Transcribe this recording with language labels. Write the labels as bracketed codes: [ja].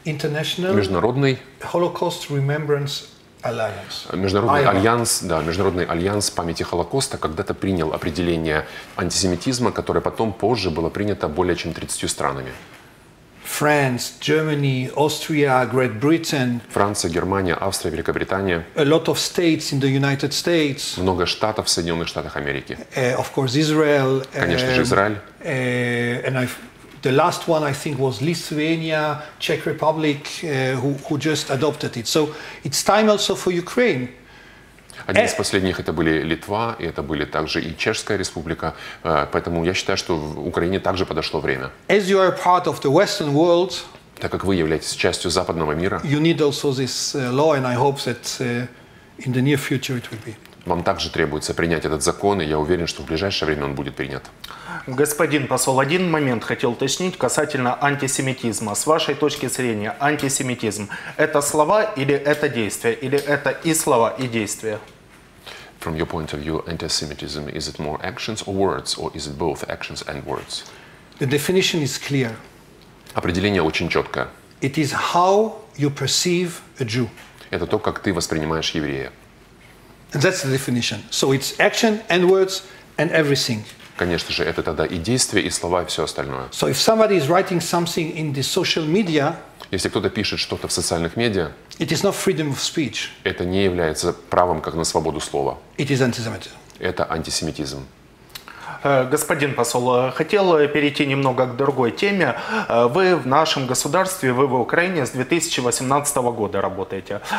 [en] International Holocaust Remembrance Alliance. [ru] Международный альянс памяти Холокоста когда-то принял определение антисемитизма, которое потом позже было принято более чем 30 странами. [en] France, Germany, Austria, Great Britain. [ru] Франция, Германия, Австрия, Великобритания. [en] A lot of states in the United States. [ru] Много штатов в Соединенных Штатах Америки. [en] Of course, Israel. [ru] Конечно же, Израиль. [en] And the last one, I think, was Lithuania, Czech Republic, who just adopted it. So it's time also for Ukraine. [ru] Один из последних это были Литва, и это были также и Чешская Республика. Поэтому я считаю, что в Украине также подошло время. [en] As you are part of the Western world, [ru] так как вы являетесь частью западного мира, [en] you need also this law, and I hope that in the near future it will be. [ru] Вам также требуется принять этот закон, и я уверен, что в ближайшее время он будет принят. Господин посол, один момент хотел уточнить касательно антисемитизма. С вашей точки зрения, антисемитизм – это слова или это действия? Или это и слова, и действия? [en] From your point of view, antisemitism, is it more actions or words, or is it both actions and words? The definition is clear. [ru] Определение очень четкое. [en] It is how you perceive a Jew. [ru] Это то, как ты воспринимаешь еврея. [en] And that's the definition. So it's action and words and everything. [ru] Конечно же, это тогда и действия, и слова, и все остальное. [en] So if somebody is writing something in the social media, [ru] если кто-то пишет что-то в социальных медиа, [en] it is not freedom of speech. [ru] Это не является правом, как на свободу слова. [en] It is antisemitism. [ru] Это антисемитизм. Господин посол, хотел перейти немного к другой теме. Вы в нашем государстве, вы в Украине с 2018 года работаете.